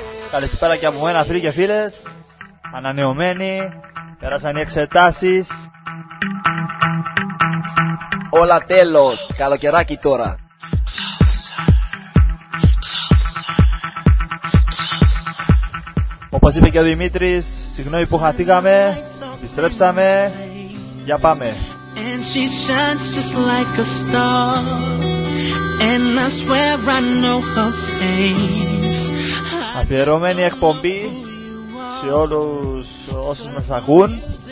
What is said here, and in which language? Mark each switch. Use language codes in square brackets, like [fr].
[el] Καλησπέρα και από μένα, φίλοι και φίλες. Ανανεωμένοι, πέρασαν οι εξετάσεις. Όλα τέλος, καλοκαιράκι τώρα. Όπως είπε και ο Δημήτρης, συγγνώμη που χαθήκαμε. Επιστρέψαμε, για πάμε. [en] And she shines just like a star. And I swear I know her face. [el] Αφιερωμένη εκπομπή σε όλους όσους μας ακούν.